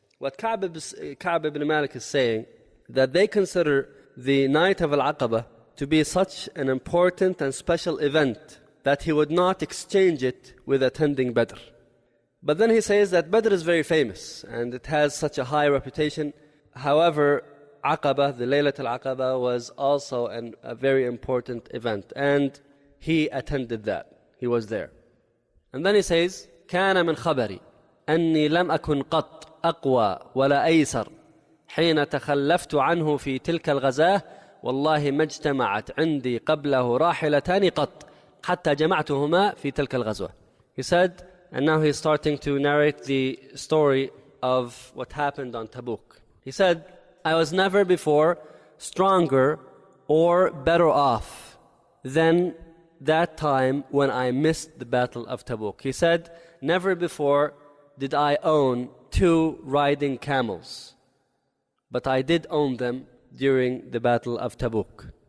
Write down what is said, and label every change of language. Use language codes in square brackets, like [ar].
[en] What Ka'b ibn Malik is saying, that they consider the night of Al-Aqaba to be such an important and special event that he would not exchange it with attending Badr. But then he says that Badr is very famous and it has such a high reputation. However, Aqaba, the Laylat al-Aqaba, was also a very important event, and he attended that. He was there. [ar] And then he says, كان من خبري أني لم أكن قط أقوى ولا أيسر حين تخلفت عنه في تلك الغزاة والله ما اجتمعت عندي قبله راحلتان قط حتى جمعتهما في تلك الغزوة. [en] He said, and now he's starting to narrate the story of what happened on Tabuk. He said, I was never before stronger or better off than that time when I missed the Battle of Tabuk. He said, never before did I own two riding camels, but I did own them during the Battle of Tabuk.